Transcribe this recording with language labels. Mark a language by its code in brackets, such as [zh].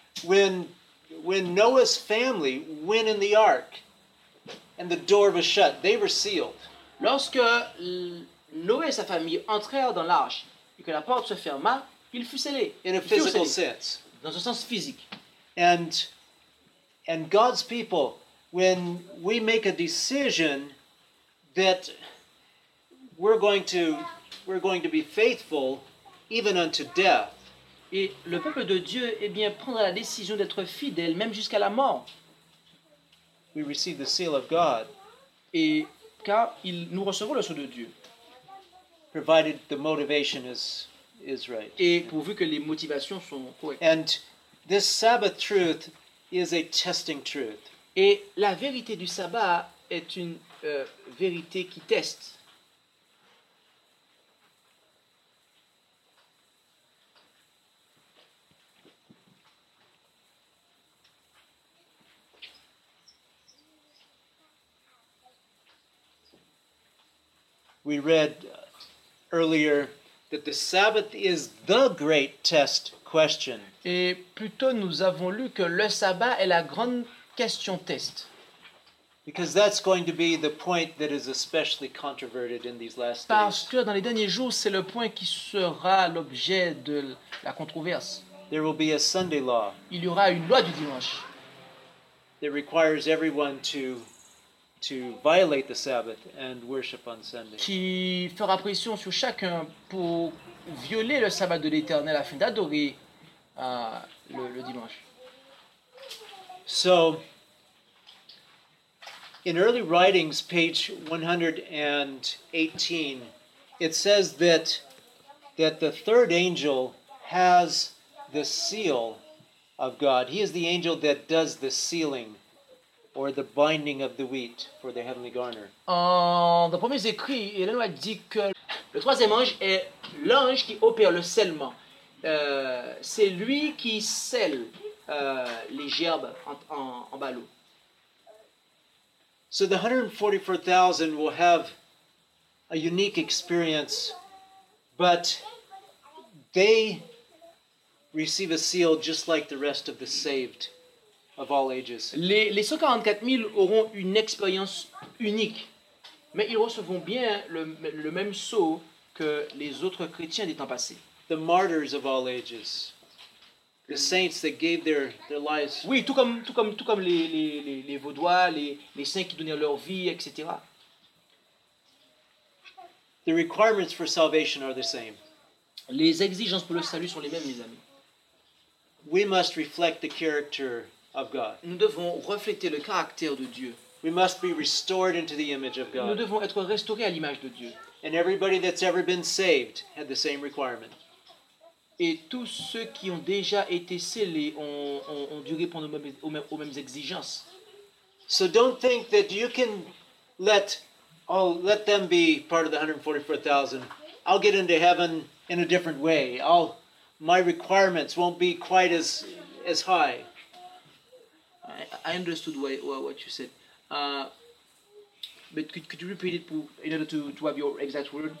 [en] When Noah's family went in the ark and the door was shut, they were sealed. [fr] Lorsque Noé et sa famille entrèrent dans l'arche et que la porte se ferma, ils furent scellés. [en] In a physical sense. [fr] Dans un sens physique. [en] And God's people, when we make a decision that we're going to be faithful even unto death. [fr] Et le peuple de Dieu, eh bien, prendra la décision d'être fidèle même jusqu'à la mort. [en] We receive the seal of God. [fr] Et car nous recevons le sceau de Dieu. [en] Provided the motivation is right. [fr] Et pourvu que les motivations sont correctes. [en] And this Sabbath truth is a testing truth. [fr] Et la vérité du sabbat est une vérité qui teste. [en] We read earlier that the Sabbath is the great test question. [fr] Et plutôt nous avons lu que le sabbat est la grande question test. [en] Because that's going to be the point that is especially controverted in these last days. [fr] Parce que dans les derniers jours, c'est le point qui sera l'objet de la controverse. [en] There will be a Sunday law. [fr] Il y aura une loi du dimanche. [en] That requires everyone to violate the Sabbath and worship on Sunday. [fr] Qui fera pression sur chacun pour violer le sabbat de l'Éternel afin d'adorer le dimanche. [en] So, in early writings, page 118, it says that the third angel has the seal of God. He is the angel that does the sealing or the binding of the wheat for the heavenly garner. [fr] Dans les premiers écrits, Ellen White dit que le troisième ange est l'ange qui opère le scellement. C'est lui qui scelle les gerbes en ballot. [en] So the 144,000 will have a unique experience, but they receive a seal just like the rest of the saved. Of all ages. [fr] Les 144,000 auront une expérience unique, mais ils recevront bien le même sceau que les autres chrétiens des temps passés. [en] The martyrs of all ages, the saints that gave their lives. [fr] Oui, tout comme les vaudois, les saints qui donnèrent leur vie, etc. [en] The requirements for salvation are the same. [fr] Les exigences pour le salut sont les mêmes, mes amis. [en] We must reflect the character. Of God. [fr] Nous devons refléter le caractère de Dieu. [en] We must be restored into the image of God. [fr] Nous devons être restaurés à l'image de Dieu. [en] And everybody that's ever been saved had the same requirement. [fr] Et tous ceux qui ont déjà été scellés ont dû répondre aux mêmes exigences. [en] So don't think that you can let them be part of the 144,000. I'll get into heaven in a different way. My requirements won't be quite as high. I understood what you said. But could you repeat it in order to have your exact word?